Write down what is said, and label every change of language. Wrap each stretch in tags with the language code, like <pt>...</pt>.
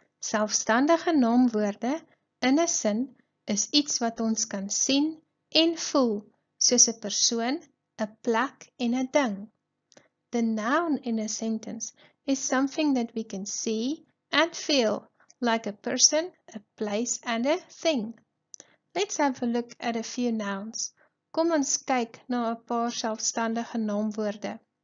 <af>Selfstandige naamwoorde in 'n sin is iets wat ons kan sien en voel, soos 'n persoon, 'n plek en 'n ding.</af> <en>The noun in a sentence is something that we can see and feel, like a person, a place and a thing. Let's have a look at a few nouns.</en> <af>Kom ons kyk na 'n paar selfstandige naamwoorde.</af>